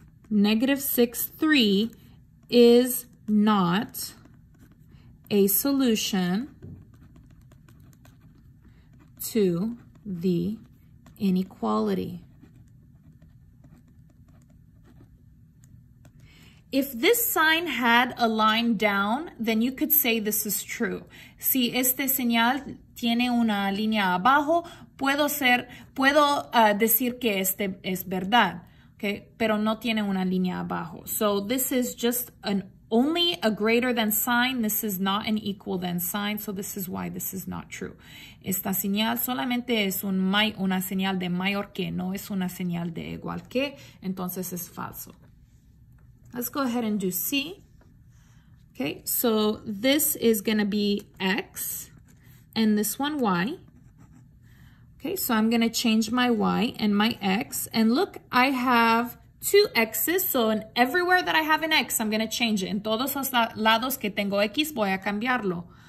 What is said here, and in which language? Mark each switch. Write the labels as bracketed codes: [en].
[en] Negative 6, 3 is not a solution to the inequality. If this sign had a line down, then you could say this is true. [es] Si este señal tiene una línea abajo, puedo decir que este es verdad. Okay, pero no tiene una línea abajo. [en] So this is just only a greater than sign. This is not an equal than sign. So this is why this is not true. [es] Esta señal solamente es una señal de mayor que, no es una señal de igual que. Entonces es falso. [en] Let's go ahead and do C. Okay, so this is going to be X and this one Y. Okay, so I'm going to change my Y and my X. And look, I have two X's. So in everywhere that I have an X, I'm going to change it. [es] En todos los lados que tengo X, voy a cambiarlo.